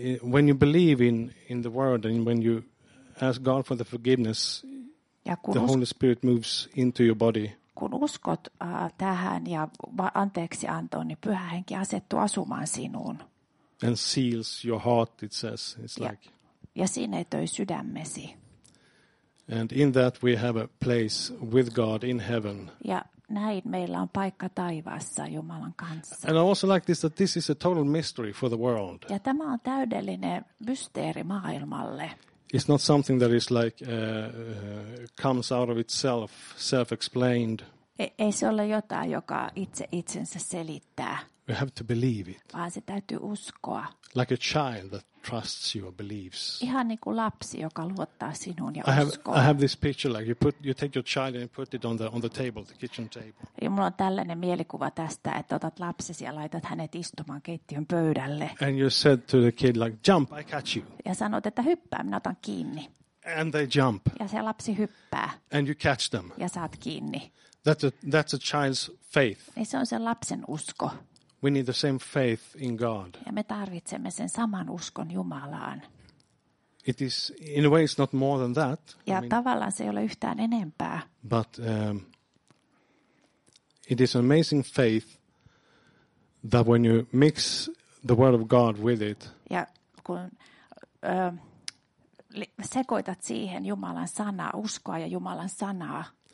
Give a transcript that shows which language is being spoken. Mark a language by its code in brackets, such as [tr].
[en] When you believe in the word and when you ask God for the forgiveness, the Holy Spirit moves into your body. [fi] Kun uskot tähän ja anteeksi antoon, niin Pyhä Henki asettuu asumaan sinuun. [en] And seals your heart, it says. It's like. [fi] Ja sinetöi sydämesi. [en] And in that we have a place with God in heaven. [fi] Ja näin meillä on paikka taivaassa Jumalan kanssa. [en] And I also like this is a total mystery for the world. [fi] Ja tämä on täydellinen mysteeri maailmalle. [en] It's not something that is like comes out of itself, self-explained. [fi] Ei se ole jotain, joka itse itsensä selittää. [en] We have to believe it. [fi] Vaan se täytyy uskoa. [en] Like a child that trusts you or believes. [fi] Ihan niin kuin lapsi, joka luottaa sinuun ja uskoo. [en] I have this picture like you take your child and put it on the table, the kitchen table. [fi] Ja mulla on tällainen mielikuva tästä, että otat lapsesi ja laitat hänet istumaan keittiön pöydälle. [en] And you said to the kid like jump, I catch you. [fi] Ja sanot, että hyppää, minä otan kiinni. [en] And they jump. [fi] Ja se lapsi hyppää. [en] And you catch them. [fi] Ja saat kiinni. [en] That's a child's faith. [fi] Niin se on sen lapsen usko. [en] We need the same faith in God. [fi] Ja me tarvitsemme sen saman uskon Jumalaan. [en] It is in a way it's not more than that. [fi] Ja tavallaan se ei ole yhtään enempää. [en] But it is an amazing faith that when you mix the word of God with it. [fi] Ja kun sekoitat siihen Jumalan sanaa, uskoa ja Jumalan sanaa.